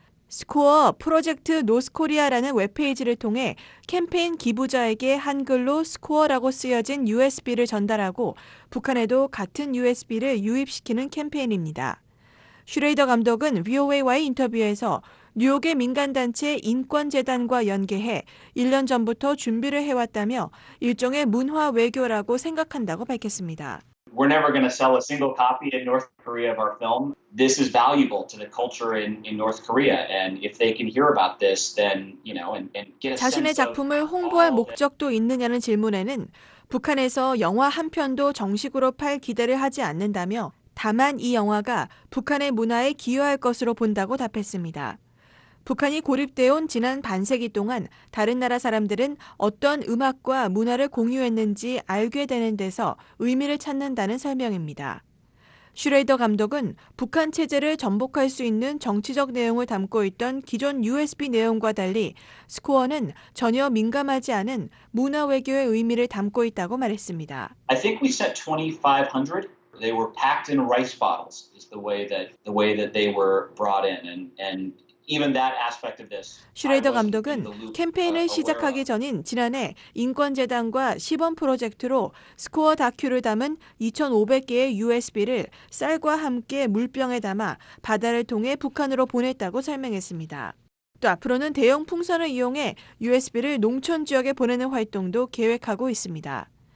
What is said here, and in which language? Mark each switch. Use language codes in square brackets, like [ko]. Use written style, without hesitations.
[ko] 스코어 프로젝트 노스코리아라는 웹페이지를 통해 캠페인 기부자에게 한글로 스코어라고 쓰여진 USB를 전달하고 북한에도 같은 USB를 유입시키는 캠페인입니다. 슈레이더 감독은 VOA와의 인터뷰에서 뉴욕의 민간단체 인권재단과 연계해 1년 전부터 준비를 해왔다며 일종의 문화 외교라고 생각한다고 밝혔습니다. [en] We're never going to sell a single copy in North Korea of our film. This is valuable to the culture in North Korea. And if they can hear about this, then, you know, and get a sense of [ko] 자신의 작품을 홍보할 목적도 있느냐는 질문에는 북한에서 영화 한 편도 정식으로 팔 기대를 하지 않는다며 다만 이 영화가 북한의 문화에 기여할 것으로 본다고 답했습니다. 북한이 고립되어 온 지난 반세기 동안 다른 나라 사람들은 어떤 음악과 문화를 공유했는지 알게 되는 데서 의미를 찾는다는 설명입니다. 슈레이더 감독은 북한 체제를 전복할 수 있는 정치적 내용을 담고 있던 기존 USB 내용과 달리 스코어는 전혀 민감하지 않은 문화 외교의 의미를 담고 있다고 말했습니다. [en] I think we set 2,500. They were packed in rice bottles is the way that they were brought in and even that aspect of this. [ko] 슈레이더 감독은 캠페인을 시작하기 전인 지난해 인권재단과 시범 프로젝트로 스코어 다큐를 담은 2,500개의 USB를 쌀과 함께 물병에 담아 바다를 통해 북한으로 보냈다고 설명했습니다. 또 앞으로는 대형 풍선을 이용해 USB를 농촌 지역에 보내는 활동도 계획하고 있습니다.